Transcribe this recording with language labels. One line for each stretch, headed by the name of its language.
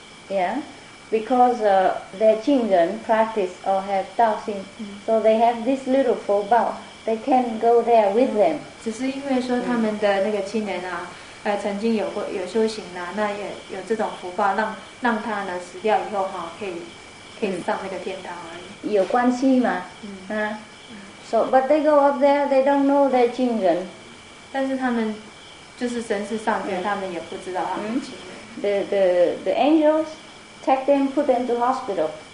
English: Yeah, because their 亲人 practice or have 道心、so they have this little 佛报 they can go there with them。
Chinese: 只是因为说他们的那个亲人啊，曾经有过有修行啊，那也有这种福报，让他呢死掉以后哈、可以上那个天堂而已。有关系吗？
English: So, but they go up there, they don't know their 亲人.
Chinese: 但是他们就是神识上天，他们也不知道他们亲人。
English: The angels take them, put them to hospital.